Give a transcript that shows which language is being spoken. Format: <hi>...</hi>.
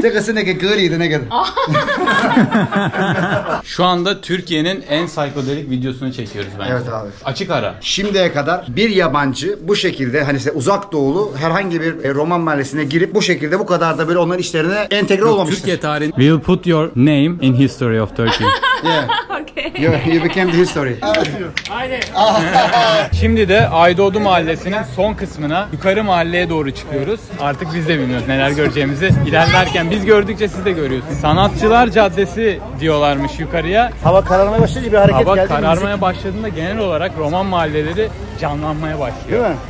<tr>Tekası ne ki? Gıriydi ne kadar. Şu anda Türkiye'nin en psikodelik videosunu çekiyoruz bence. Evet abi. Açık ara. Şimdiye kadar bir yabancı bu şekilde hani işte uzak doğulu herhangi bir Roman mahallesine girip bu şekilde bu kadar da böyle onların işlerine entegre olmamıştır. Türkiye tarihinde.</tr> <en>We'll put your name in history of Turkey. Yeah. Okay. You became the history.</en> <tr>Şimdi de Aydoğdu Mahallesi'nin son kısmına, yukarı mahalleye doğru çıkıyoruz. Artık biz de bilmiyoruz neler göreceğimizi. İlerlerken biz gördükçe siz de görüyorsunuz. Sanatçılar Caddesi diyorlarmış yukarıya. Hava kararmaya başladı, bir hareket hava geldi. Hava kararmaya başladığında genel olarak Roman mahalleleri canlanmaya başlıyor.</tr>